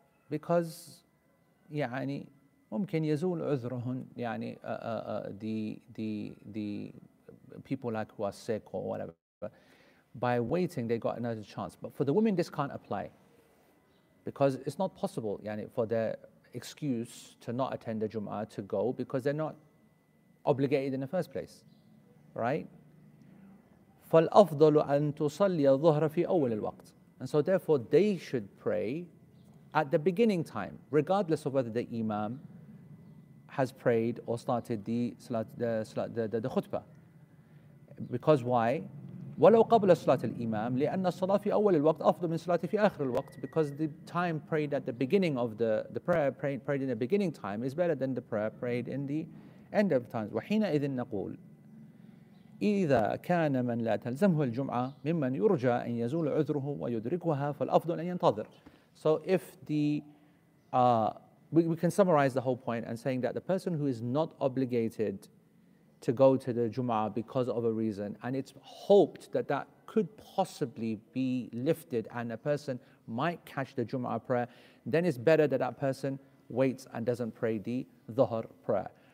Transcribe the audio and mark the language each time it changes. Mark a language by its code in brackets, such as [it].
[en] Because, يعني, [ar] ممكن يزول عذرهن, [en] يعني, the people like who are sick or whatever. By waiting, they got another chance. But for the women, this can't apply. Because it's not possible, يعني, for their excuse to not attend the Jum'ah to go because they're not obligated in the first place, right? [ar] فالأفضل أن تصلي الظهر في أول الوقت. [en] And so therefore they should pray at the beginning time, regardless of whether the imam has prayed or started the khutbah. Because why? [ar] ولو قبل صلاة الإمام لأن الصلاة في أول الوقت أفضل من صلاة في آخر الوقت. [en] Because the time prayed at the beginning of the prayer prayed in the beginning time is better than the prayer prayed in the end of times. [ar] وحينئذ نقول إذا كان من لا تلزمه الجمعة ممن يرجى أن يزول عذره ويدركها فالأفضل أن ينتظر. [en] So if the we can summarize the whole point and saying that the person who is not obligated to go to the Jum'ah because of a reason and it's hoped that that could possibly be lifted and a person might catch the Jum'ah prayer, then it's better that that person waits and doesn't pray the Dhuhr prayer.